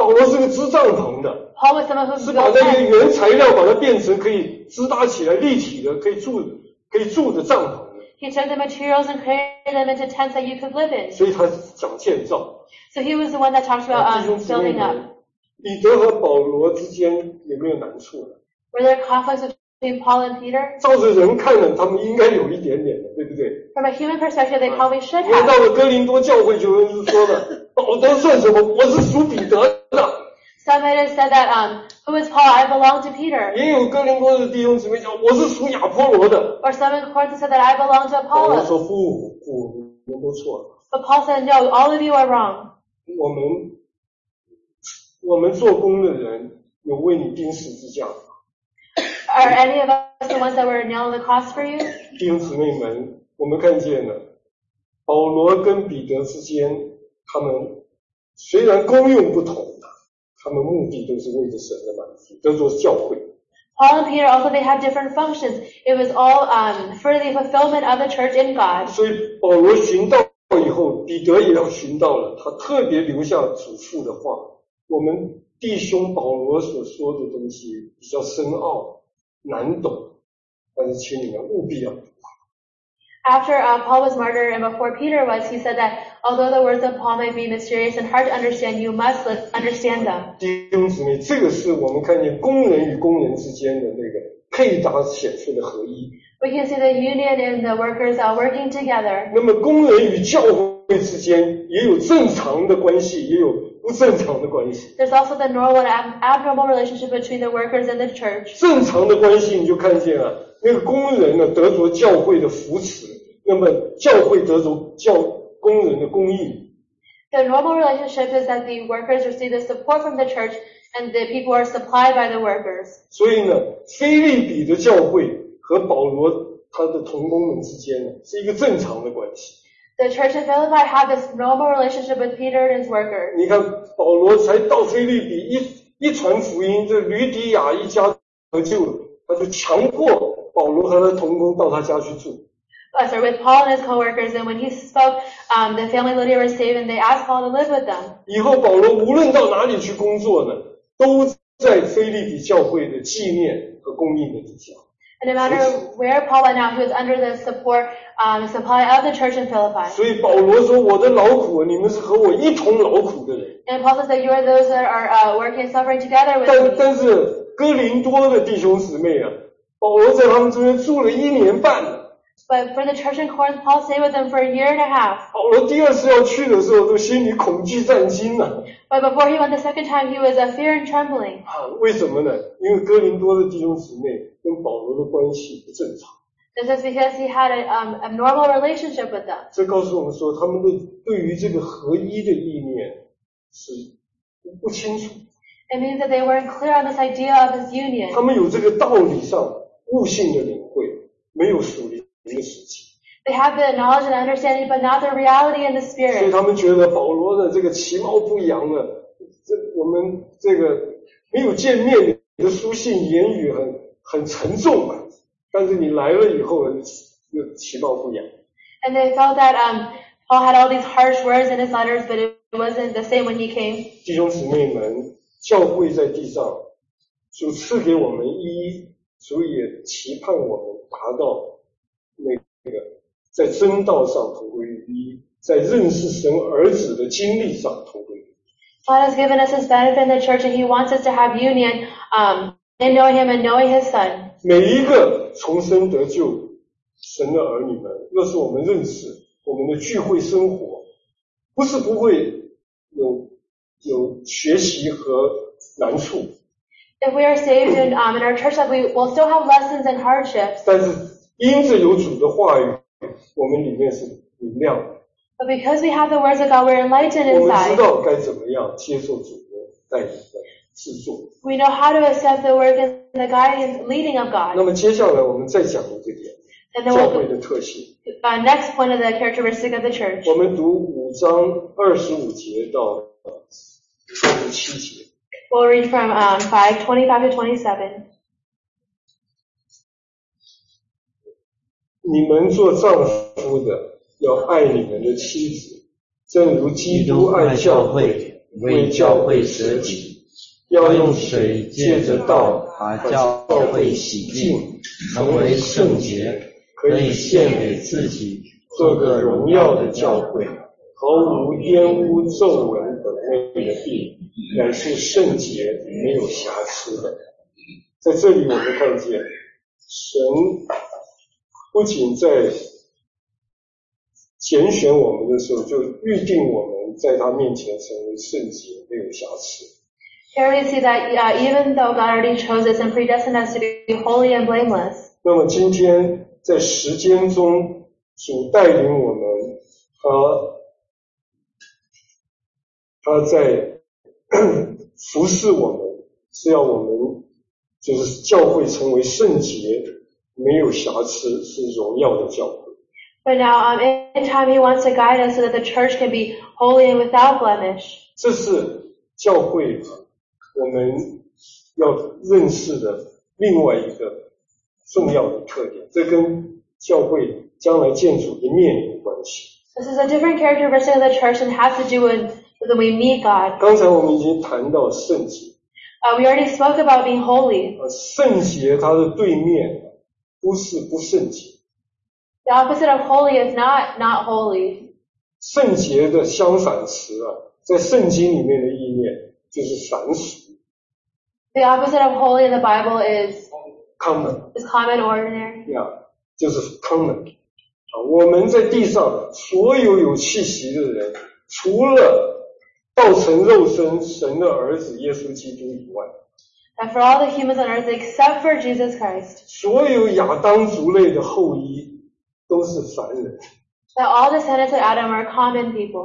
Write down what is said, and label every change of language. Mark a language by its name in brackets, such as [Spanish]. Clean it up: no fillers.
[Chinese] 保罗是个支帐篷的。 [English] Paul was someone who was built up. [Chinese] 是把那个原材料把它变成可以支搭起来立体的，可以住的帐篷。 [English] He took the materials and created them into tents that you could live in. [Chinese] 所以他讲建造。 [English] So he was the one that talks about building up. [Chinese] 彼得和保罗之间有没有难处呢？ [English] Were there conflicts between Paul and Peter? [Chinese] 照着人看呢，他们应该有一点点的，对不对 [English] ？From a human perspective, they probably should have. [Chinese] 因为到了哥林多教会，有人就说了：“保罗算什么？我是属彼得的。” [English] Some might have said that, "Who is Paul? I belong to Peter." [Chinese] 也有哥林多的弟兄姊妹讲：“我是属亚波罗的。” [English] Or some in Corinth said that I belong to Apollos. [Chinese] 保罗说：“不，你们都错了。” [English] But Paul said, "No, all of you are wrong." [Chinese] 我们做工的人有为你钉十字架。 [English] Are any of us the ones that were nailed on the cross for you? [Chinese] 弟兄姊妹们，我们看见了保罗跟彼得之间，他们虽然功用不同，他们目的都是为着神的满足，叫做教会。 [English] Paul and Peter also they had different functions. It was all for the fulfillment of the church in God. [Chinese] 所以保罗寻道以后，彼得也要寻道了。他特别留下嘱咐的话，我们弟兄保罗所说的东西比较深奥。难懂，但是请你们务必要读。 [English] After Paul was martyred and before Peter was, he said that although the words of Paul may be mysterious and hard to understand, you must understand them. [Chinese] 弟兄姊妹，这个是我们看见工人与工人之间的那个配搭显出的合一。 [English] We can see the union in the workers working together. [Chinese] 那么工人与教会之间也有正常的关系，也有。不正常的关系。 [English] There's also the normal and abnormal relationship between the workers and the church. [Chinese] 正常的关系你就看见了，那个工人呢得着教会的扶持，那么教会得着教工人的供应。 [English] The normal relationship is that the workers receive the support from the church and the people are supplied by the workers. [Chinese] 所以呢，腓立比的教会和保罗他的同工们之间呢是一个正常的关系。 [English] The church in Philippi had this normal relationship with Peter and his workers. [Chinese] 你看保罗才到腓立比一传福音，这吕底亚一家得救了，他就强迫保罗和他同工到他家去住。 [English] With Paul and his co-workers, and when he spoke, the family Lydia was saved, and they asked Paul to live with them. [Chinese] 以后保罗无论到哪里去工作呢，都在腓立比教会的纪念和供应的底下。 [English] And no matter where Paul went out, he was under the support, supply of the church in Philippi. [Chinese] 所以保罗说我的劳苦，你们是和我一同劳苦的人。 [English] And Paul says that you are those that are working and suffering together with me. [Chinese] 但是哥林多的弟兄姊妹啊，保罗在他们中间住了一年半。 [English] But for the church in Corinth, Paul stayed with them for a year and a half. [Chinese] 保罗第二次要去的时候，都心里恐惧战惊啊。 [English] But before he went the second time, he was a fear and trembling. [Chinese] 为什么呢？因为哥林多的弟兄姊妹跟保罗的关系不正常。 [English] This is because he had an abnormal relationship with them. [Chinese] 这告诉我们说，他们对于这个合一的意念是不清楚。 [English] It means that they weren't clear on this idea of his union. [Chinese] 他们有这个道理上悟性的领会，没有属灵。 [English] They have the knowledge and understanding, but not the reality and the spirit. [Chinese] 所以他们觉得保罗的这个其貌不扬的，这我们这个没有见面，你的书信言语很沉重嘛。但是你来了以后，又其貌不扬。 [English] And they felt that Paul had all these harsh words in his letters, but it wasn't the same when he came. [Chinese] 弟兄姊妹们，教会在地上，主赐给我们一，主也期盼我们达到。那个在真道上同归于一，在认识神儿子的经历上同归于一。 [English] God has given us His benefit in the church, and He wants us to have union, in knowing Him and knowing His Son. [Chinese] 每一个重生得救神的儿女们，若是我们认识，我们的聚会生活不是不会有学习和难处。 [English] If we are saved in our church life, we will still have lessons and hardships. [Chinese] 但是因着有主的话语，我们里面是明亮的。 [English] But because we have the words of God, we're enlightened inside. [Chinese] 我们知道该怎么样接受主的带领的制作。 [English] We know how to accept the word and the guiding leading of God. [Chinese] 那么接下来我们再讲一个点，教会的特性。 [English] Next point of the characteristic of the church. [Chinese] 我们读五章二十五节到三十七节。 [English] We'll read from 5:25-27. [Chinese] 你们做丈夫的要爱你们的妻子，正如基督爱教会，为教会舍己，要用水借着道把教会洗净，成为圣洁，可以献给自己，做个荣耀的教会，毫无玷污皱纹的美丽的地，乃是圣洁没有瑕疵的。在这里我们看见神不仅在拣选我们的时候就预定我们在他面前成为圣洁没有瑕疵。 [English] Here we see that even though God already chose us and predestined us to be holy and blameless. [Chinese] 那么今天在时间中主带领我们和他在服侍我们，是要我们就是教会成为圣洁没有瑕疵是荣耀的教会。 [English] But now, in time, he wants to guide us so that the church can be holy and without blemish. [Chinese] 这是教会我们要认识的另外一个重要的特点，这跟教会将来建主的面有关系。 [English] This is a different characteristic of the church and has to do with when we meet God. [Chinese] 刚才我们已经谈到圣洁。 [English] We already spoke about being holy. [Chinese] 圣洁它的对面不是不圣洁。 [English] The opposite of holy is not holy. [Chinese] 圣洁的相反词啊，在圣经里面的意念就是凡俗。 [English] The opposite of holy in the Bible is common. Is common ordinary. Yeah, [Chinese] 就是 common. 我们在地上所有有气息的人，除了道成肉身神的儿子耶稣基督以外。 [English] And for all the humans on earth except for Jesus Christ. [Chinese] 所有亚当族类的后裔都是凡人。 [English] That all descendants of Adam are common people.